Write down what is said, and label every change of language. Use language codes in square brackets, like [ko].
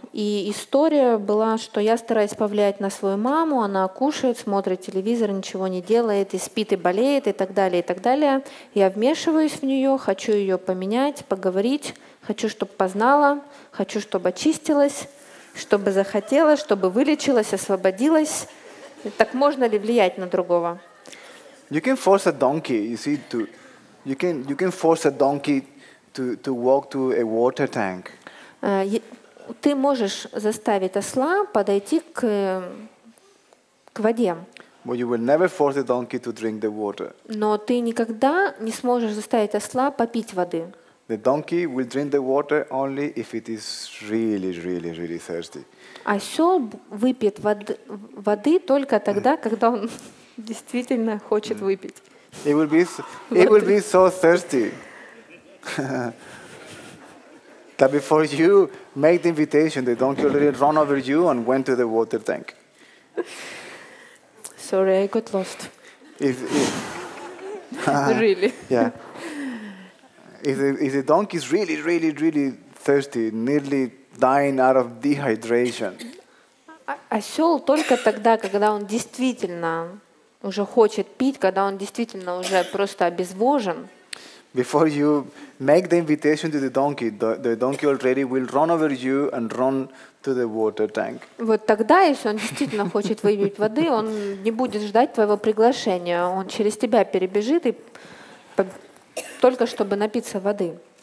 [ru] И история была, что я стараюсь повлиять на свою маму, она кушает, смотрит телевизор, ничего не делает, и спит, и болеет, и так далее, и так далее. Я вмешиваюсь в нее, хочу ее поменять, поговорить, хочу, чтобы познала, хочу, чтобы очистилась, чтобы захотела, чтобы вылечилась, освободилась. Так можно ли влиять на другого? [en] You can force a donkey, you see, to you can force a donkey to walk to a water tank. [ru] Ты можешь заставить осла подойти к воде. [en] But you will never force a donkey to drink the water. [ru] Но ты никогда не сможешь заставить осла попить воды. [en] The donkey will drink the water only if it is really, really, really thirsty. [ru] Осёл выпьет воды только тогда, когда он действительно хочет выпить. [en] It will be so thirsty. That before you make the invitation, the donkey already run over you and went to the water tank. Sorry, I got lost. really? Yeah. If the donkey is really, really, really thirsty, nearly dying out of dehydration. [ru] Осёл только тогда, когда он действительно уже хочет пить, когда он действительно уже просто обезвожен. [en] Before you make the invitation to the donkey already will run over you and run to the water tank. [ru] Вот тогда, если он действительно хочет выпить воды, он не будет ждать твоего приглашения. Он через тебя перебежит и только чтобы напиться воды.